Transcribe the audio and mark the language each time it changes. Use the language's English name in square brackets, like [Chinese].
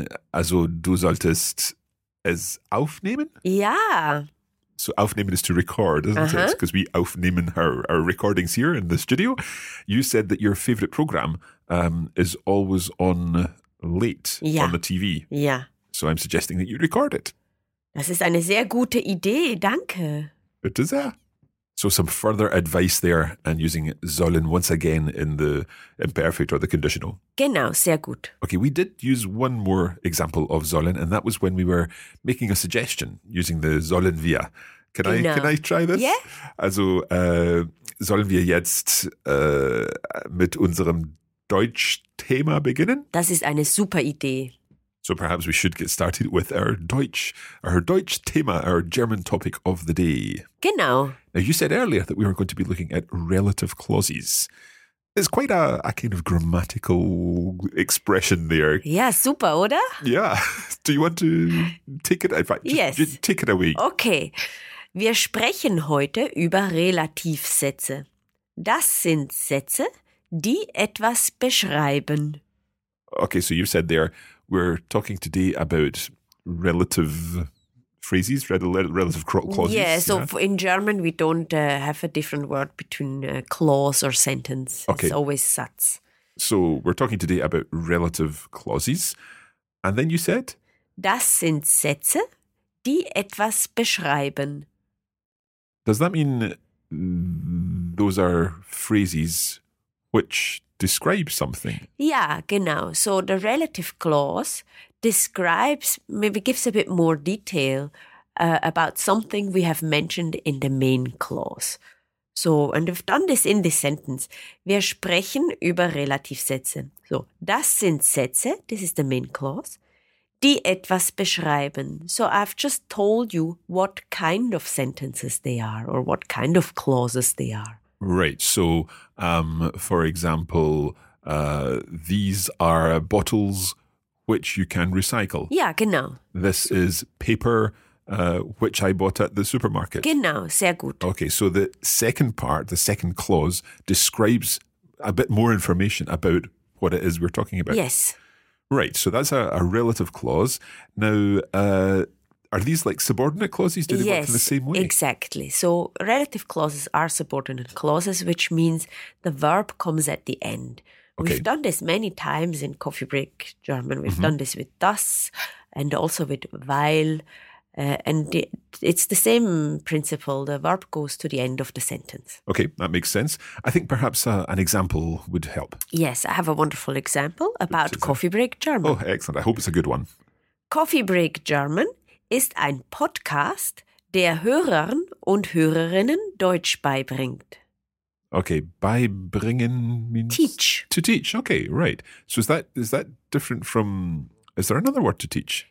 [German] Also du solltest es aufnehmen? Ja. [English] So aufnehmen is to record, isn't it? Because we aufnehmen our recordings here in the studio. You said that your favorite program is always on late on the TV. [German] Ja. [English] So I'm suggesting that you record it. [German] Das ist eine sehr gute Idee, danke. Bitte sehr. [English] So some further advice there and using sollen once again in the imperfect or the conditional. [German] Genau, sehr gut. [English] Okay, we did use one more example of sollen, and that was when we were making a suggestion using the sollen wir. Can I try this? Yeah. [German] Also, sollen wir jetzt mit unserem Deutsch-Thema beginnen? Das ist eine super Idee. [English] So perhaps we should get started with our Deutsch-Thema, our German topic of the day. [German] Genau. [English] Now, you said earlier that we were going to be looking at relative clauses. It's quite a kind of grammatical expression there. Yeah, super, oder? Yeah. Do you want to take it? In fact, just take it away. Okay. [German] Wir sprechen heute über Relativsätze. Das sind Sätze, die etwas beschreiben. [English] Okay, so you said there, we're talking today about relative phrases, relative clauses. Yeah, so yeah. In German we don't have a different word between clause or sentence. Okay. It's always Satz. So we're talking today about relative clauses. And then you said? [German] Das sind Sätze, die etwas beschreiben. [English] Does that mean those are phrases which describe something? Yeah, genau. So the relative clause describes, maybe gives a bit more detail about something we have mentioned in the main clause. So, and we've done this in this sentence. [German] Wir sprechen über Relativsätze. So, das sind Sätze, [English] this is the main clause, [German] die etwas beschreiben. [English] So I've just told you what kind of sentences they are or what kind of clauses they are. Right. So, for example, these are bottles which you can recycle. Yeah, genau. This is paper which I bought at the supermarket. [German] Genau, sehr gut. [English] Okay, so the second part, the second clause, describes a bit more information about what it is we're talking about. Yes. Right, so that's a relative clause. Now, are these like subordinate clauses? Do they yes, work in the same way? Exactly. So relative clauses are subordinate clauses, which means the verb comes at the end. Okay. We've done this many times in Coffee Break German. We've mm-hmm. done this with das and also with weil. And it's the same principle. The verb goes to the end of the sentence. Okay, that makes sense. I think perhaps an example would help. Yes, I have a wonderful example about Coffee Break German. Oh, excellent. I hope it's a good one. [German] Coffee Break German ist ein Podcast, der Hörern und Hörerinnen Deutsch beibringt. [English] Okay, beibringen means... Teach. To teach, okay, right. So is that different from... Is there another word to teach?